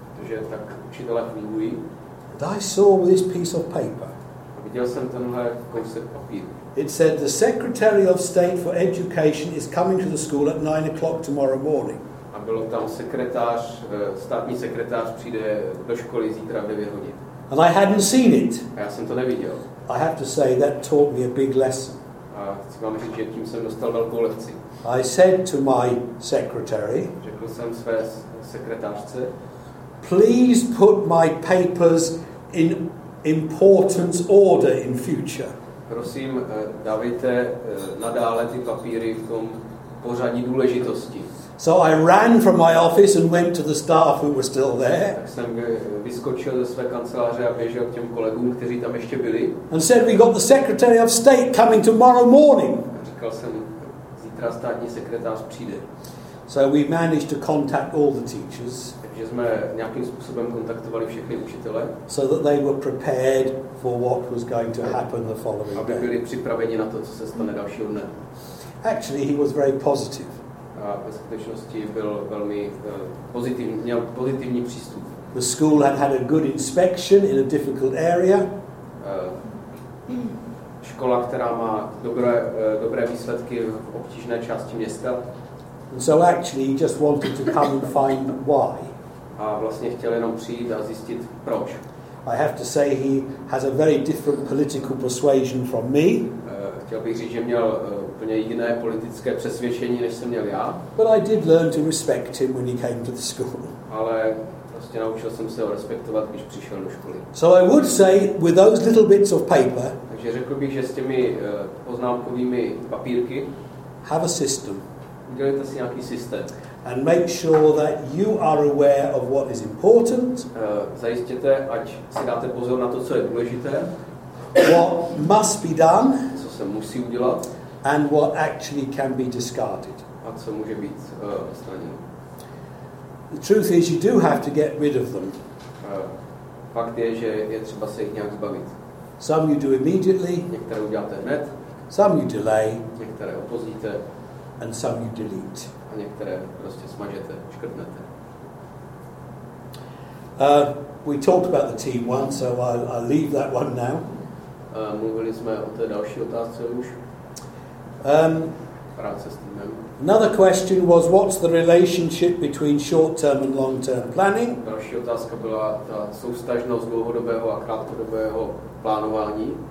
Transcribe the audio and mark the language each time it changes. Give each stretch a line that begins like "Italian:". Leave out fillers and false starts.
Czech: Protože tak učitelé fungují.
English: And I saw this piece of paper.
Czech: A viděl jsem tenhle kousek papíru.
English: It said the Secretary of State for Education is coming to the school at 9 o'clock tomorrow morning.
Czech: A bylo tam sekretář, státní sekretář přijde do školy zítra v 9 hodin.
English: And I hadn't seen it.
Czech: A já jsem to neviděl.
English: I have to say that taught me a big lesson.
Czech: A chci vám říct, že tím jsem dostal velkou lekci.
English: I said to my secretary.
Czech: Řekl jsem své sekretářce.
English: Please put my papers in importance order in future.
Czech: Prosím, dávejte nadále ty papíry v tom pořadí důležitosti.
English: So I ran from my office and went to the staff who were still there.
Czech: Tak jsem vyskočil ze své kanceláře a běžel k těm kolegům, kteří tam ještě byli.
English: And said, we got the Secretary of State coming tomorrow morning.
Czech: A říkal jsem, zítra státní sekretář přijde.
English: So we managed to contact all the teachers.
Czech: Takže jsme nějakým způsobem kontaktovali všechny učitele.
English: So that they were prepared for what was going to happen the following day.
Czech: Aby byli připraveni na to, co se stane dalšího dne.
English: Actually, he was very positive.
Czech: A ve skutečnosti byl velmi pozitivní, měl pozitivní přístup.
English: The school had had a good inspection in a difficult area.
Czech: Škola, která má dobré výsledky v obtížné části města.
English: And so actually he just wanted to come and find why.
Czech: A vlastně chtěl jenom přijít a zjistit proč.
English: I have to say he has a very different political persuasion from me.
Czech: Chtěl bych říct, že měl úplně jiné politické přesvědčení, než jsem měl já.
English: But I did learn to respect him when he came to the school.
Czech: Ale prostě naučil jsem se ho respektovat, když přišel do školy.
English: So I would say with those little bits of paper.
Czech: Takže řekl bych, že s těmi poznámkovými papírky.
English: Have a system.
Czech: Udělejte si nějaký systém.
English: And make sure that you are aware of what is important.
Czech: Zajistěte, ať si dáte pozor na to, co je důležité.
English: What must be done.
Czech: Co se musí udělat.
English: And what actually can be discarded.
Czech: A co může být odstraněno.
English: The truth is, you do have to get rid of them.
Czech: Fakt je, že je třeba se jich nějak zbavit.
English: Some you do immediately.
Czech: Některé uděláte hned.
English: Some you delay.
Czech: Některé opozdíte.
English: And some you delete.
Czech: A některé prostě smažete, škrtnete.
English: We talked about the team one, so I'll leave that one now.
Czech: mluvili jsme o té další otázce už. Práce s týmem.
English: Another question was, what's the relationship between short-term and long-term planning?
Czech: Další otázka byla ta soustažnost dlouhodobého a krátkodobého plánování.